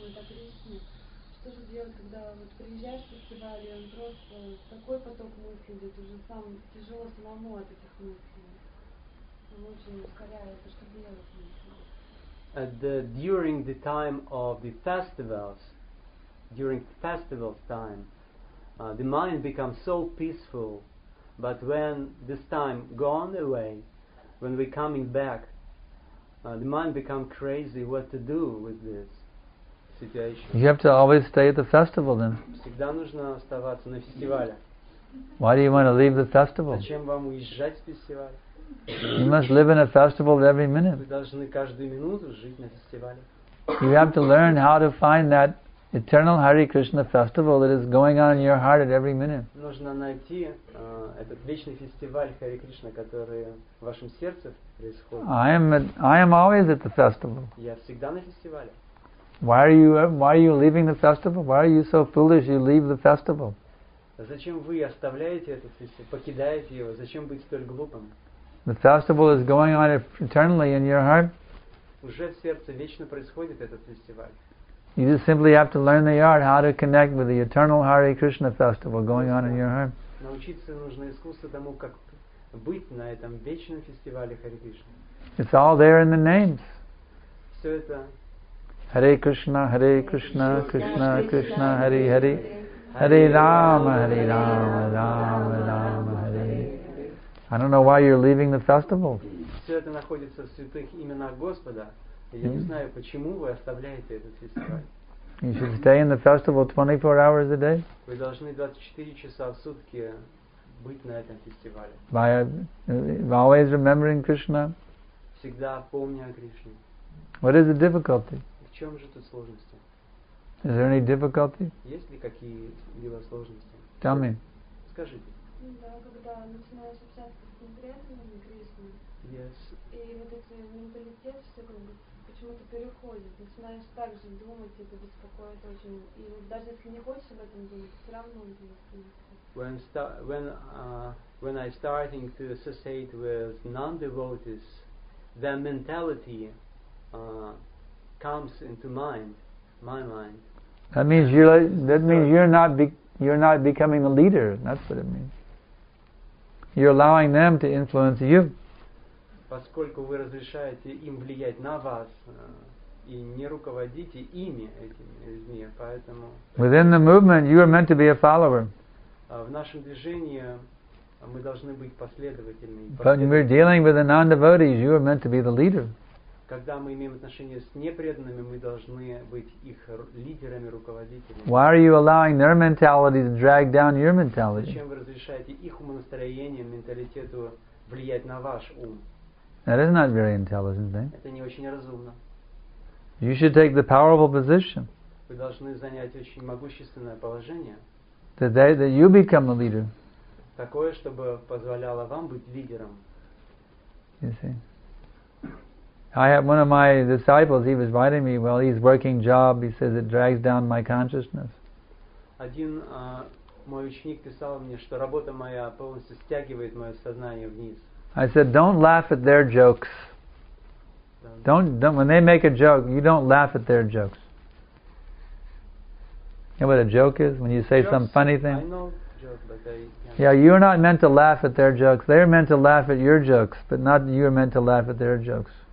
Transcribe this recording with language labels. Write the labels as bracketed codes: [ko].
[ru] Что же делать, когда вот приезжаешь в фестиваль, и он просто такой поток мыслей идет, уже сам тяжело самому от этих мыслей. Он очень ускоряется, что делать мысли. [en] During the time of the festivals, during the festival's time, the mind becomes so peaceful, but when this time gone away, when we're coming back, the mind become crazy what to do with this situation. You have to always stay at the festival then. [ru] Всегда нужно оставаться на фестивале. [en] Why do you want to leave the festival? [ru] Зачем вам уезжать с фестиваля? [en] You must live in a festival every minute. [ru] Вы должны каждую минуту жить на фестивале. [en] You have to learn how to find that eternal Hare Krishna festival that is going on in your heart at every minute. [ru] Нужно найти этот вечный фестиваль Харе Кришна, который в вашем сердце. [en] I am always at the festival. [ru] Я всегда на фестивале. [en] Why are you leaving the festival? Why are you so foolish? You leave the festival. [ru] Зачем вы оставляете этот фестиваль, покидаете его? Зачем быть столь глупым? [en] The festival is going on eternally in your heart. [ru] Уже в сердце вечно происходит этот фестиваль. [en] You just simply have to learn the art how to connect with the eternal Hare Krishna festival going on in your heart. [ru] Научиться нужно искусству тому, как быть на этом вечном фестивале Харе Кришна. [en] It's all there in the names. [ru] Все это. [sa] Харе Кришна, Харе Кришна, Кришна, Кришна, Хари Хари. Харе Рама, Харе Рама, Рама Рама, Харе. [en] I don't know why you're leaving the festival. [ru] Все это находится в святых именах Господа. Я не знаю, почему вы оставляете этот фестиваль. [en] You should stay in the festival 24 hours a day. [ru] Вы должны 24 часа в сутки быть на этом фестивале. [en] By always remembering Krishna. [ru] Всегда помня о Кришне. [en] What is the difficulty? [ru] В чем же тут сложности? [en] Is there any difficulty? [ru] Есть ли какие-либо сложности? [en] Tell me. [ru] Скажите. Да, когда начинаешь общаться с конкретными Кришной. [en] Yes. [ru] И вот эти менталитет все как бы почему-то переходит. Начинаешь так же думать, это беспокоит очень. И вот даже если не хочешь об этом думать, все равно думать. [en] When I starting to associate with non-devotees, their mentality comes into my mind. That means you're not becoming the leader. That's what it means. You're allowing them to influence you. [ru] Поскольку вы разрешаете им влиять на вас и не руководите ими этими людьми, поэтому. [en] Within the movement, you are meant to be a follower. [ru] В нашем движении мы должны быть последовательными. [en] But when we're dealing with the non-devotees, you are meant to be the leader. [ru] Когда мы имеем отношения с непреданными, мы должны быть их лидерами, руководителями. [en] Why are you allowing their mentality to drag down your mentality? [ru] Зачем вы разрешаете их умонастроение, менталитету влиять на ваш ум? [en] That is not very intelligent thing. [ru] Это не очень разумно. [en] You should take the powerful position. [ru] Вы должны занять очень могущественное положение. [en] That you become a leader. [ru] Такое, чтобы позволяло вам быть лидером. [en] You see. I have one of my disciples, he was writing me, well, he's working job, he says it drags down my consciousness. [ru] Один мой ученик писал мне, что работа моя полностью стягивает мое сознание вниз. [en] I said, don't laugh at their jokes. Don't when they make a joke, you don't laugh at their jokes. You know what a joke is? When you say jokes, some funny thing? I know joke, but I can't. Yeah, you're not meant to laugh at their jokes. They're meant to laugh at your jokes, but not you're meant to laugh at their jokes.